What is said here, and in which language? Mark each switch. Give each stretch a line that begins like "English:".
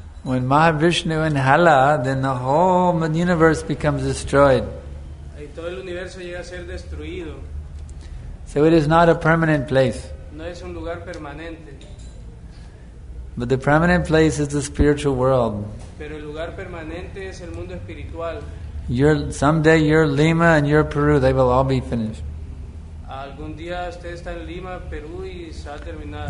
English: when Mahavishnu inhala, then the whole universe becomes destroyed.
Spanish: Y todo el universo llega a ser destruido.
English: So it is not a permanent place.
Spanish: No es un lugar permanente.
English: But the permanent place is the spiritual world.
Spanish: Pero el lugar permanente es el mundo espiritual.
English: Someday your Lima and your Peru, they will all be finished.
Spanish: Algún día usted está en Lima, Perú y se va a terminar.